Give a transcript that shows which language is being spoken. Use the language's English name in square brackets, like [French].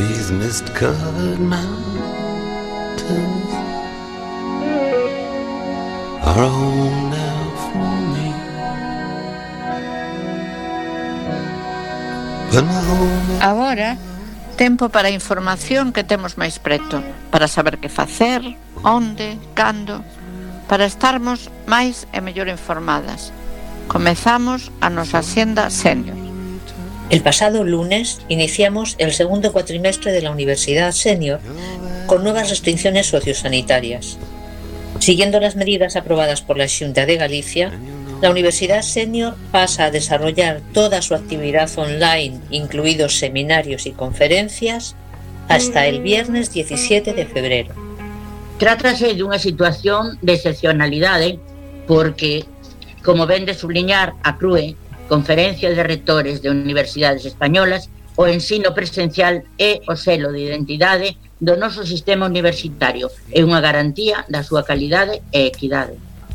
[English] mist covered mountains are all now for me. [Galician] Agora, tempo para a información que temos máis preto, para saber que facer, onde, cando, para estarmos máis e mellor informadas. Comezamos a nosa Hacienda Senior. [Spanish] El pasado lunes iniciamos el segundo cuatrimestre de la Universidad Senior con nuevas restricciones sociosanitarias. Siguiendo las medidas aprobadas por la Xunta de Galicia, la Universidad Senior pasa a desarrollar toda su actividad online, incluidos seminarios y conferencias, hasta el viernes 17 de febrero. [Galician] Trátase de [Spanish] una situación de excepcionalidad, [Galician] porque, como ven de subliñar a CRUE, Conferencia de Rectores de Universidades Españolas, o ensino presencial e o selo de identidade do noso sistema universitario é unha garantía da súa calidade e equidade.